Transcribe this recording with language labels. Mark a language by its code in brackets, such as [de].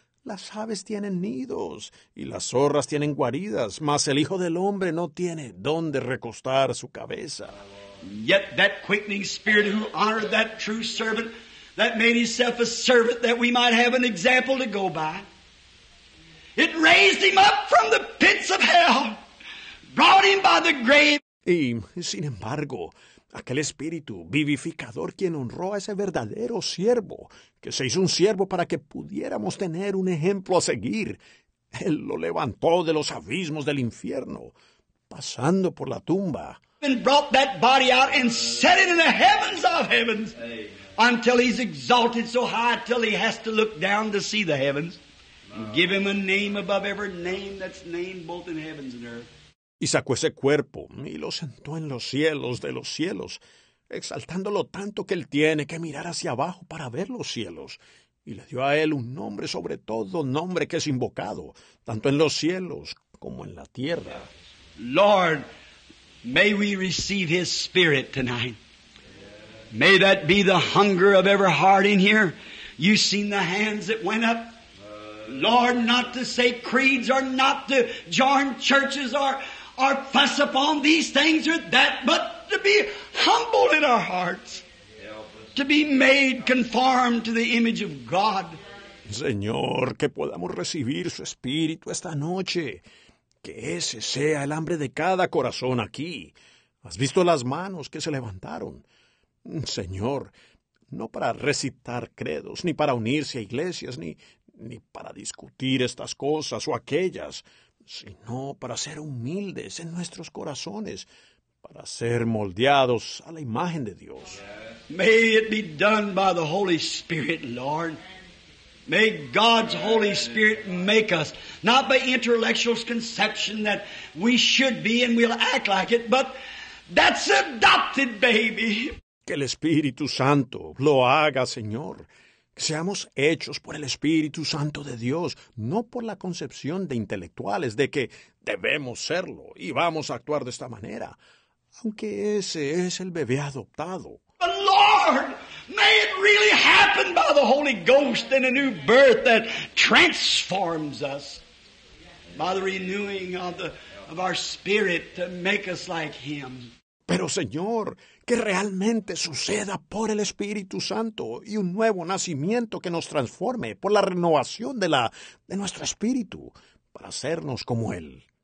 [es] Las aves tienen nidos y las zorras tienen guaridas, mas el Hijo del Hombre no tiene dónde recostar su cabeza. [en] Yet that quickening spirit who honored that true servant, that made himself a servant that we might have an example to go by, it raised him up from the pits of hell, brought him by the grave. [es] Y sin embargo, aquel espíritu vivificador quien honró a ese verdadero siervo, que se hizo un siervo para que pudiéramos tener un ejemplo a seguir. Él lo levantó de los abismos del infierno, pasando por la tumba. [en] And brought that body out and set it in the heavens of heavens. Amen. Until he's exalted so high till he has to look down to see the heavens. And give him a name above every name that's named both in heavens and earth. [es] Y sacó ese cuerpo y lo sentó en los cielos de los cielos, exaltándolo tanto que él tiene que mirar hacia abajo para ver los cielos. Y le dio a él un nombre sobre todo nombre que es invocado, tanto en los cielos como en la tierra. [en] Lord, may we receive his spirit tonight. May that be the hunger of every heart in here. You've seen the hands that went up. Lord, not to say creeds or not to join churches or fuss upon these things or that, but to be humbled in our hearts, to be made conformed to the image of God. [es] Señor, que podamos recibir su espíritu esta noche, que ese sea el hambre de cada corazón aquí. ¿Has visto las manos que se levantaron? Señor, no para recitar credos, ni para unirse a iglesias, ni para discutir estas cosas o aquellas, sino para ser humildes en nuestros corazones, para ser moldeados a la imagen de Dios. [en] May it be done by the Holy Spirit, Lord. May God's Holy Spirit make us, not by intellectual conception that we should be and we'll act like it, but that's adopted, baby. [es] Que el Espíritu Santo lo haga, Señor. Seamos hechos por el Espíritu Santo de Dios, no por la concepción de intelectuales de que debemos serlo y vamos a actuar de esta manera, aunque ese es el bebé adoptado. [en] But Lord, may it really happen by the Holy Ghost in a new birth that transforms us by the renewing of our spirit to make us like Him. [es] Pero, Señor, que realmente suceda por el Espíritu Santo y un nuevo nacimiento que nos transforme por la renovación de nuestro espíritu para hacernos como Él.